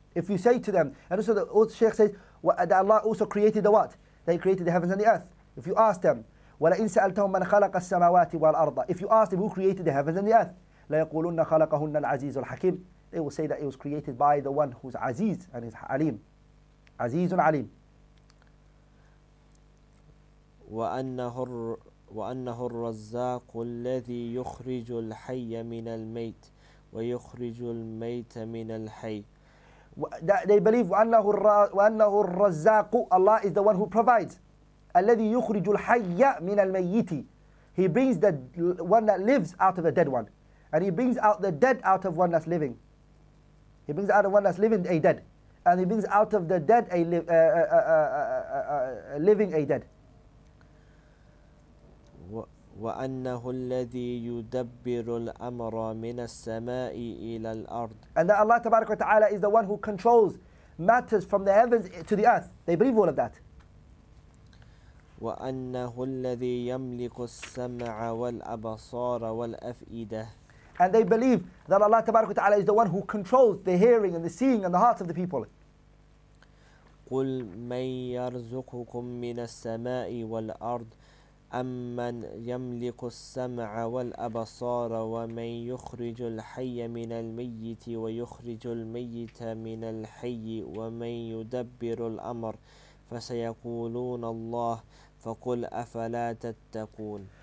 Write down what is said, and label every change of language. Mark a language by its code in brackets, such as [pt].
[en] If you say to them, and also the old Shaykh says, that Allah also created the what? That He created the heavens and the earth. If you ask them, [ar] وَلَئِنْ سَأَلْتَهُمْ مَنْ خَلَقَ السَّمَاوَاتِ وَالْأَرْضَ, [en] if you ask them who created the heavens and the earth, [ar] لَيَقُولُنَّ خَلَقَهُنَّ الْعَزِيزُ الْحَكِيمُ. [en] They will say that it was created by the one who's Aziz and is Alim. [ar] عزيز عليم. وأنه الرزاق الذي يخرج الحي من الميت ويخرج الميت من الحي. [en] They believe [ar] وأنه الرزاق, [en] Allah is the one who provides. [ar] الذي يخرج الحي من الميت. [en] He brings the one that lives out of a dead one, and he brings out the dead out of one that's living. He brings out of one that's living a dead. And he brings out of the dead a living a dead. [ar] وأنه الذي يدبر الأمر من السماء إلى الأرض. [en] And that Allah [ar] تبارك وتعالى [en] is the one who controls matters from the heavens to the earth. They believe all of that. [ar] وأنه الذي يملك السمع والأبصار والأفئدة. [en] And they believe that Allah [ar] تبارك وتعالى [en] is the one who controls the hearing and the seeing and the hearts of the people. [ar] قُلْ مَنْ يَرْزُقُكُمْ مِنَ السَّمَاءِ وَالْأَرْضِ أَمَّنْ يَمْلِكُ السَّمْعَ وَالْأَبَصَارَ وَمَنْ يُخْرِجُ الْحَيَّ مِنَ الْمَيِّتِ وَيُخْرِجُ الْمَيِّتَ مِنَ الْحَيِّ وَمَنْ يُدَبِّرُ الْأَمْرِ فَسَيَقُولُونَ اللَّهُ فَقُلْ أَفَلَا تَتَّقُونَ.